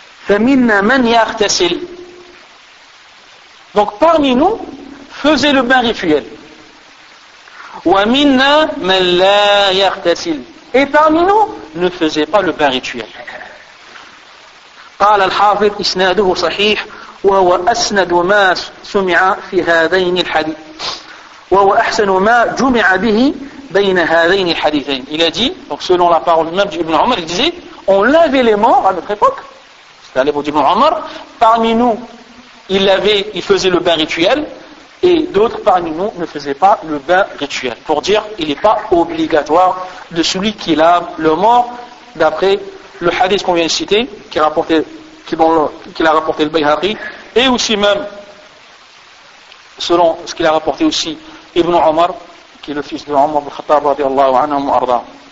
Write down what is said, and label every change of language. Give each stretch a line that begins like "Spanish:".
Arabic: فَمِنَّا مَنْ يَغْتَسِلْ.
French: Donc parmi nous, faisait le bain rituel.
Arabic: وَمِنَّا مَنْ لَا يَغْتَسِلْ.
French: Et parmi nous, ne faisait pas le bain rituel.
Arabic: قال الحافظ إسناده صحيح وهو أسند ما سمع في هذين الحديث وهو أحسن ما جمع به بين هذين الحديثين.
French: Il a dit, donc selon la parole même d'Ibn Omar, il disait, on lavait les morts à notre époque, c'est à l'époque d'Ibn Omar, parmi nous, il faisait le bain rituel, et d'autres parmi nous ne faisaient pas le bain rituel. Pour dire, il n'est pas obligatoire de celui qui lave le mort, d'après le hadith qu'on vient de citer, qui l'a rapporté le Bayhaqi, et aussi même, selon ce qu'il a rapporté aussi Ibn Omar, qui est le fils de Omar ibn Khattab,
Arabic: radiallahu anhu wa arda.